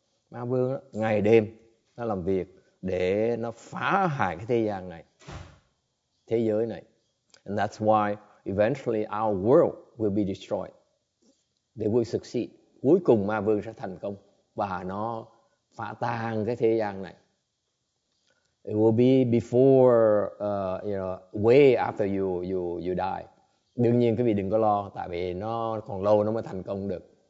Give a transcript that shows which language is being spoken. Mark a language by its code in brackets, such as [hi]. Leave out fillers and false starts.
[vi] Ma vương ngày đêm nó làm việc để nó phá hại cái thế gian này, thế giới này. [en] And that's why eventually our world will be destroyed. They will succeed. [vi] Cuối cùng Ma Vương sẽ thành công và nó phá tan cái thế gian này. [en] It will be before, way after you die. [vi] Đương nhiên quý vị đừng có lo, tại vì nó còn lâu nó mới thành công được.